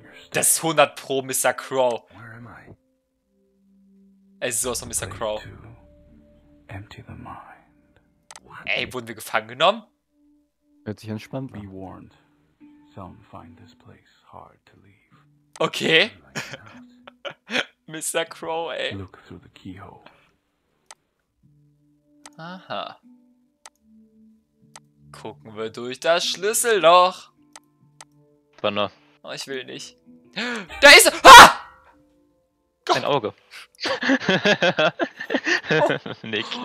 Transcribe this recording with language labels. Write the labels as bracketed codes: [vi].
[de] Das ist 100 Pro Mr. Crow. [en] Where am I? [de] Ey, sowas von Mr. Crow. [en] Empty the mind. [de] Ey, wurden wir gefangen genommen? Hört sich entspannt an. [en] Be warned. Some find this place hard to leave. Okay. Mr. Crow, ey. Look through the keyhole. Aha. [de] Gucken wir durch das Schlüsselloch. Banner. Oh, ich will nicht. Da ist er! Ah! Gott. Ein Auge. Oh. Nick.